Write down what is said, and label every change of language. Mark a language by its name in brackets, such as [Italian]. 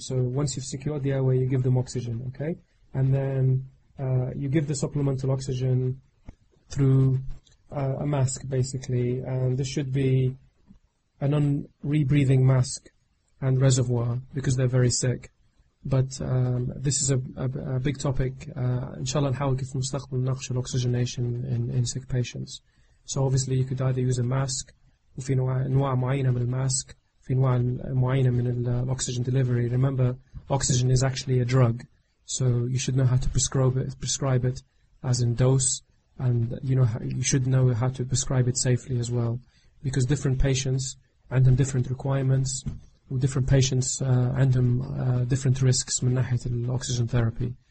[English] So once you've secured the airway, you give them oxygen, okay? And then you give the supplemental oxygen through a mask, basically, and this should be a non-rebreathing mask and reservoir, because they're very sick. But this is a big topic. [Arabic] Inshallah, نحاول كيف مستقبل نناقش الأكسجيناشن [English] in sick patients. So obviously you could either use a mask, [Arabic] وفي نوع معينة من الماسك, في نوع معينة من الأكسجين delivery. [English] Remember, oxygen is actually a drug, so you should know how to prescribe it as in dose, and you should know how to prescribe it safely as well, because different patients and then different requirements. Different patients and different risks [Arabic] من ناحية الأكسجين [English] therapy.